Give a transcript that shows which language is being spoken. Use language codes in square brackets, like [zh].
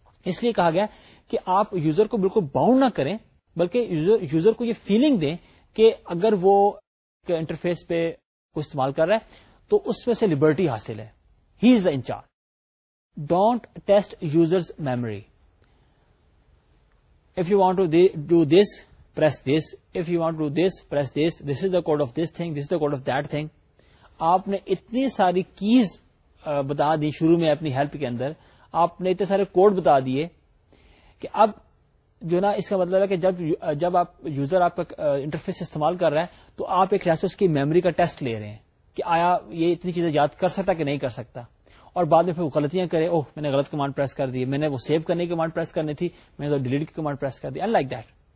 [ur] اس لیے کہا گیا کہ آپ یوزر کو بالکل باؤنڈ نہ کریں, بلکہ یوزر کو یہ فیلنگ دیں کہ اگر وہ انٹرفیس پہ استعمال کر رہا ہے تو اس میں سے لبرٹی حاصل ہے, [en] He is the incharge. Don't test users memory. If you want to do this, press this. If you want to do this, press this. This is the code of this thing. This is the code of that thing. [ur] آپ نے اتنی ساری keys بتا دی شروع میں اپنی help کے اندر, آپ نے اتنے سارے کوڈ بتا دیے کہ اب جو نا اس کا مطلب ہے کہ جب آپ یوزر آپ کا انٹرفیس استعمال کر رہا ہے تو آپ ایک خاص اس کی میموری کا ٹیسٹ لے رہے ہیں کہ آیا یہ اتنی چیزیں یاد کر سکتا کہ نہیں کر سکتا, اور بعد میں پھر وہ غلطیاں کرے, اوہ میں نے غلط کمانڈ پریس کر دی, میں نے وہ سیو کرنے کی کمانڈ پریس کرنی تھی, میں نے تو ڈیلیٹ کی کمانڈ پریس کر دی, [en] Like that.